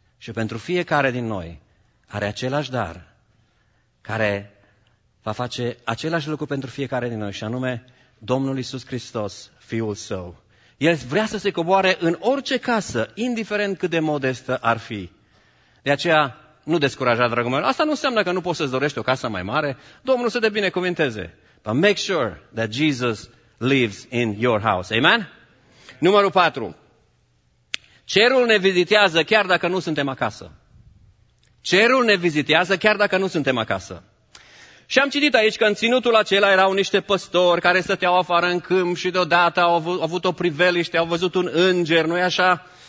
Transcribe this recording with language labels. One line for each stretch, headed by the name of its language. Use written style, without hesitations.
Romanian: Și pentru fiecare din noi are același dar, care va face același lucru pentru fiecare din noi, și anume Domnul Iisus Hristos, Fiul Său. El vrea să se coboare în orice casă, indiferent cât de modestă ar fi. De aceea, nu descuraja, dragul meu, asta nu înseamnă că nu poți să-ți dorești o casă mai mare, Domnul să te binecuvinteze.
English: But make sure that Jesus lives in your house.
Romanian: Amen? Numărul 4. Cerul ne vizitează chiar dacă nu suntem acasă. Cerul ne vizitează chiar dacă nu suntem acasă. Și am citit aici că în ținutul acela erau niște păstori care stăteau afară în câmp și deodată au avut o priveliște, au văzut un înger, nu-i așa?